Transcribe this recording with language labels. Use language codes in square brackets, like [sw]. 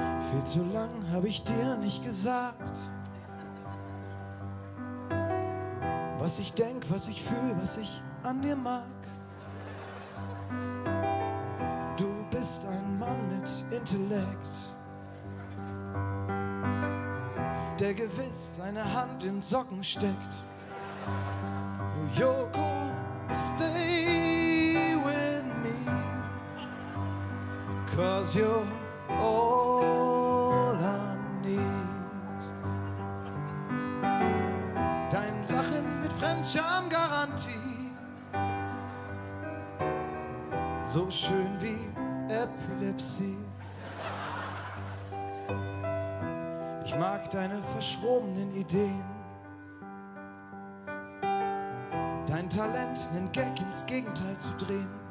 [de] Viel zu lang habe ich dir nicht gesagt, was ich denk, was ich fühle, was ich an dir mag. Du bist ein Mann mit Intellekt, der gewiss seine Hand in Socken steckt. [en] Joko, stay with me, 'cause you're all I need. [de] Dein Lachen mit Fremdscham-Garantie, so schön wie Epilepsie. Ich mag deine verschrobenen Ideen, dein Talent, einen Gag ins Gegenteil zu drehen.